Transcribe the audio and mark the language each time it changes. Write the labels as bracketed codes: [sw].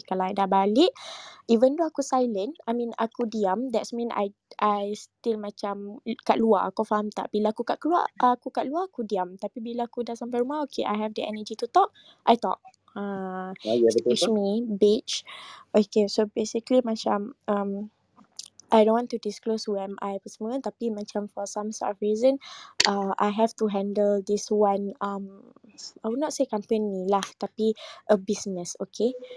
[en] Kalau I [ms] dah balik, [en] even though aku silent, I mean [ms] aku diam, [en] that's mean I still [ms] macam kat luar. Kau faham tak? Bila aku kat keluar, aku kat luar, aku diam. Tapi bila aku dah sampai rumah, [en] okay, I have the energy to talk, I talk. Excuse me, bitch. Okay, so basically macam I don't want to disclose who am I [ms] apa semua, tapi macam [en] for some sort of reason, I have to handle this one, I would not say company lah, [ms] tapi [en] a business, okay?